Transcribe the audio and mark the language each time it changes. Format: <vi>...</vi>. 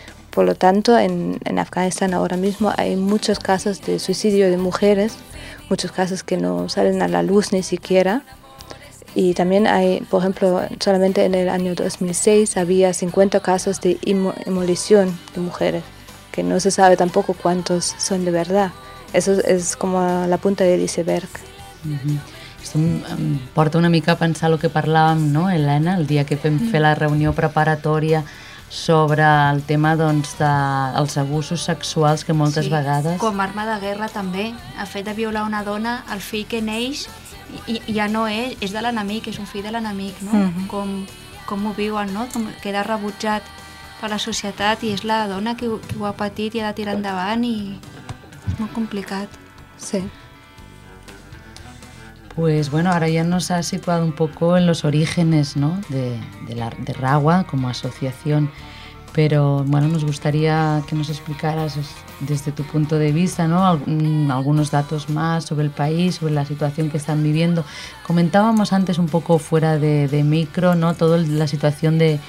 <es>Por lo tanto, en Afganistán ahora mismo hay muchos casos de suicidio de mujeres, muchos casos que no salen a la luz ni siquiera. Y también hay, por ejemplo, solamente en el año 2006 había 50 casos de inmolición de mujeres, que no se sabe tampoco cuántos son de verdad. Eso es como la punta del iceberg. Uh-huh.</es> <ca>Esto porta una mica a pensar el que parlàvem, no, Elena, el dia que vam fer la reunió preparatòria sobre el tema, doncs, dels abusos sexuals que moltes, sí, vegades... Com a arma de guerra també. El fet de violar una dona, el fill que neix ja no és de l'enemic, és un fill de l'enemic, no? Uh-huh. Com ho viuen, no? Com queda rebutjat per la societat, i és la dona que ho ha patit i ha de tirar endavant, i és molt complicat. Sí.</ca> <es>Pues bueno, ahora ya nos has situado un poco en los orígenes, ¿no?, de RAWA como asociación, pero bueno, nos gustaría que nos explicaras desde tu punto de vista, ¿no?, algunos datos más sobre el país, sobre la situación que están viviendo. Comentábamos antes un poco fuera de micro, ¿no?, toda la situación</es>